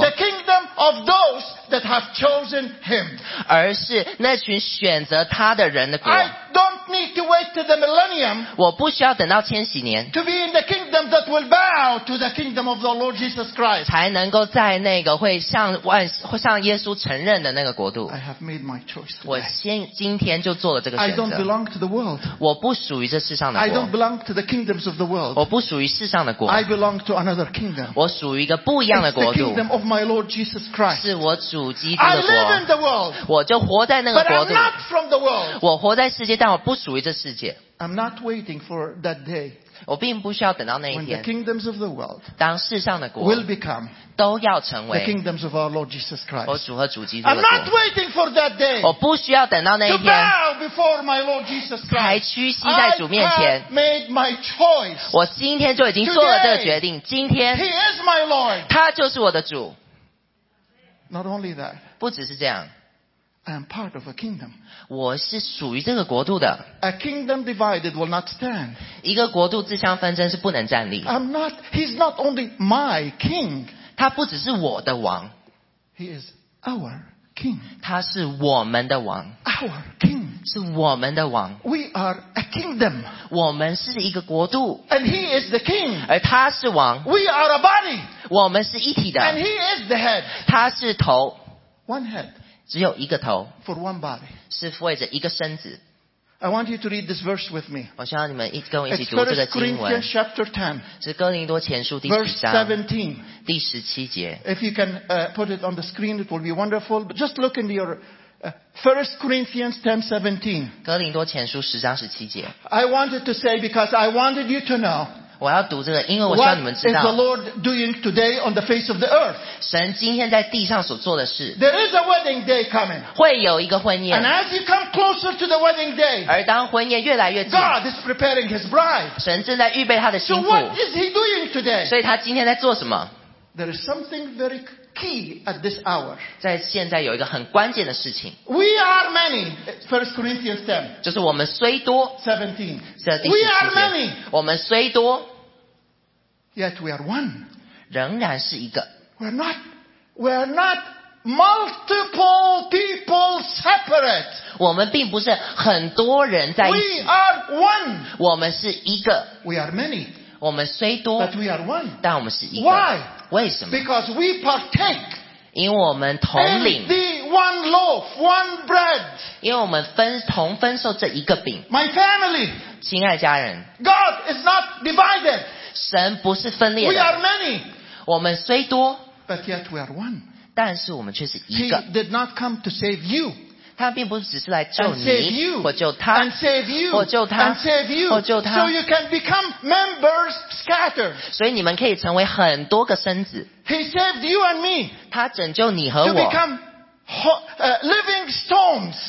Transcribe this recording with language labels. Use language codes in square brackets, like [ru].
[en] the kingdom of those that have chosen him, [zh] 而是那群选择他的人的国 [en] I don't don't need to wait to the millennium. [zh] 我不需要等到千禧年。 [en] To be in the kingdom that will bow to the kingdom of the Lord Jesus Christ. [zh] 才能够在那个会向万向耶稣承认的那个国度。 [en] I have made my choice. [zh] 我先今天就做了这个选择。 [en] I don't belong to the world. [zh] 我不属于这世上的国。 [en] I don't belong to the kingdoms of the world. [zh] 我不属于世上的国。 [en] I belong to another kingdom. [zh] 我属于一个不一样的国度。 [en] It's the kingdom of my Lord Jesus Christ. [zh] 是我主基督的国。 [en] I live in the world. [zh] 我就活在那个国度。 [en] But I'm not from the world. [zh] 我活在世界，但我不属于这世界。 [en] I'm not waiting for that day. [zh] 我并不需要等到那一天。 [en] When the kingdoms of the world [zh] 当世上的国 [en] will become [zh] 都要成为 [en] the kingdoms of our Lord Jesus Christ. [zh] 我主和主基督的国。 [en] I'm not waiting for that day. [zh] 我不需要等到那一天。 [en] To bow before my Lord Jesus Christ. [zh] 才屈膝在主面前。 [en] I have made my choice. [zh] 我今天就已经做了这个决定。 [en] Today, [zh] 今天 [en] He is my Lord. [zh] 他就是我的主。 [en] Not only that. [zh] 不只是这样。 [en] I am part of a kingdom. [zh] 我是属于这个国度的。 [en] A kingdom divided will not stand. [zh] 一个国度自相纷争是不能站立。 [en] I'm not. He's not only my king. [zh] 他不只是我的王。 [en] He is our king. [zh] 他是我们的王。 [en] Our king. [zh] 是我们的王。 [en] We are a kingdom. [zh] 我们是一个国度。 [en] And he is the king. [zh] 而他是王。 [en] We are a body. [zh] 我们是一体的。 [en] And he is the head. [zh] 他是头。 [en] One head. [zh] 只有一个头 [en] For one body. [zh] 是为着一个身子 [en] I want you to read this verse with me. [zh] 我希望你们跟我一起读这个经文 [en] Corinthians chapter 10, [zh] 是哥林多前书第十章 [en] Verse 17, [zh] 第十七节 [en] If you can put it on the screen it will be wonderful But just look into your 1 Corinthians 10:17. [zh] 哥林多前书十章十七节 [en] I wanted to say because I wanted you to know [zh] 我要读这个因为我希望你们知道 [en] What is the Lord doing today on the face of the earth? [zh] 神今天在地上所做的事 [en] There is a wedding day coming [zh] 会有一个婚宴 [en] And as you come closer to the wedding day [zh] 而当婚宴越来越近 [en] God is preparing his bride [zh] 神正在预备他的新妇 [en] So what is he doing today? [zh] 所以他今天在做什么 [en] There is something very key at this hour [zh] 在现在有一个很关键的事情 [en] We are many 1 Corinthians 10 [zh] 就是我们虽多 [en] 17 We are many [zh] 我们虽多 [en] Yet we are one [zh] 仍然是一个 [en] We are not multiple people separate [zh] 我们并不是很多人在一起 [en] We are one [zh] 我们是一个 [en] We are many [zh] 我们虽多 [en] But we are one [zh] 但我们是一个 [en] Why? [zh] 为什么? [en] Because we partake [zh] 因为我们同领 [en] in the one loaf, one bread. [zh] 因为我们同分受这一个饼 [en] My family, [zh] 亲爱家人 [en] God is not divided. [zh] 神不是分裂的 [en] We are many. [zh] 我们虽多 [en] But yet we are one. [zh] 但是我们却是一个 [en] He did not come to save you. [zh] 他并不只是来救你 [en] and save you, [zh] 或救他 [en] and save you, [zh] 或救他 [en] and save you, [zh] 或救他 [en] So you can become members. [zh] 所以你们可以成为很多个身子。 [en] He saved you and me. [zh] 他拯救你和我。 [en] To become living stones.